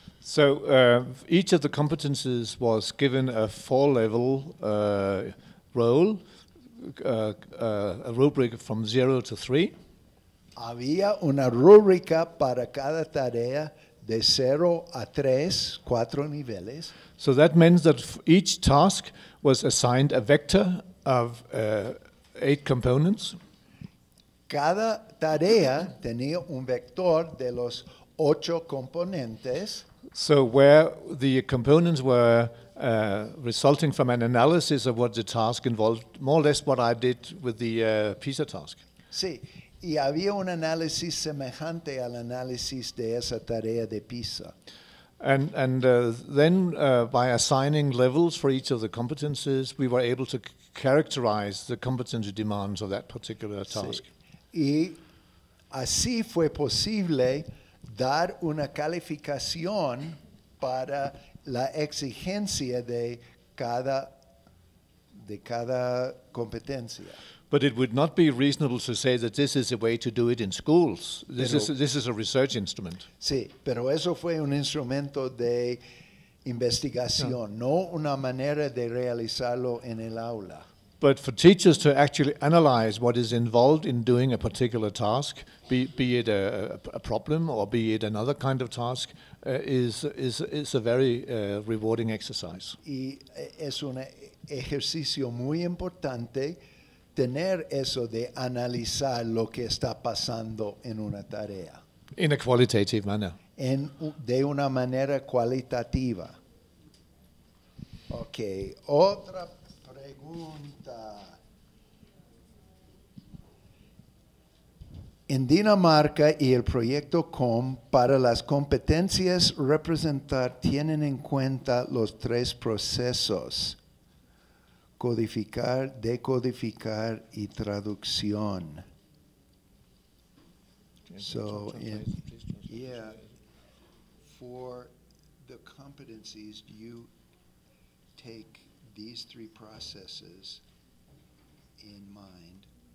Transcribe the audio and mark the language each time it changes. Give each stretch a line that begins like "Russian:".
English: So each of the competencies was given a four-level role, a rubric from 0 to 3.
Spanish: Había una rúbrica para cada tarea de 0 a 3, 4 niveles.
English: So that means that each task was assigned a vector of 8 components.
Spanish: Cada tarea tenía un vector de los 8 componentes.
English: So where the components were resulting from an analysis of what the task involved, more or less what I did with the PISA task.
Spanish: Sí, y había un análisis semejante al análisis de esa tarea de PISA.
English: And then by assigning levels for each of the competencies, we were able to characterize the competency demands of that particular task.
Spanish: Sí. Y así fue posible dar una calificación para la exigencia de cada competencia.
English: But it would not be reasonable to say that this is a way to do it in schools. This is a research instrument.
Spanish: Sí, pero eso fue un instrumento de investigación, no una manera de realizarlo en el aula.
English: But for teachers to actually analyze what is involved in doing a particular task, be it a problem or be it another kind of task, is a very rewarding exercise.
Spanish: Y es un ejercicio muy importante tener eso de analizar lo que está pasando en una tarea.
English: In a qualitative manner.
Spanish: De una manera cualitativa. Okay, otra pregunta. En Dinamarca y el proyecto COM, para las competencias representar, tienen en cuenta los tres procesos: codificar, decodificar y traducción.
English: So, in, yeah, for the competencies, do you take these three processes in mind?